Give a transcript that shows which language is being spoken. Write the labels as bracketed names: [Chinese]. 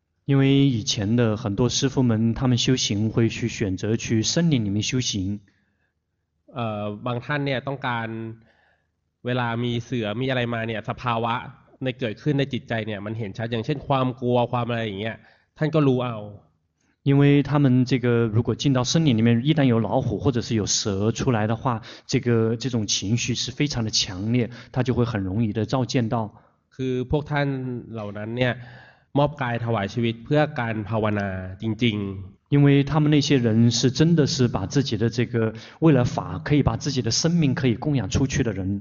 [Chinese] 因为以前的很多师父们他们修行会去选择去森林里面修行 [Thai] บางท่านเนี่ยต้องการเวลามีเสือมีอะไรมาเนี่ยสภาวะในเกิดขึ้นในจิตใจเนี่ยมันเห็นชัดอย่างเช่นความกลัวความอะไรอย่างเงี้ยท่านก็รู้เอา [Chinese] 因为他们这个如果进到森林里面一旦有老虎或者是有蛇出来的话这种情绪是非常的强烈他就会很容易的照见到 [Thai] คือพวกท่านเหล่านั้นเนี่ยมอบกายถวายชีวิตเพื่อการภาวนาจริง [Chinese] ๆ因为他们那些人是真的是把自己的这个为了法可以把自己的生命可以供养出去的人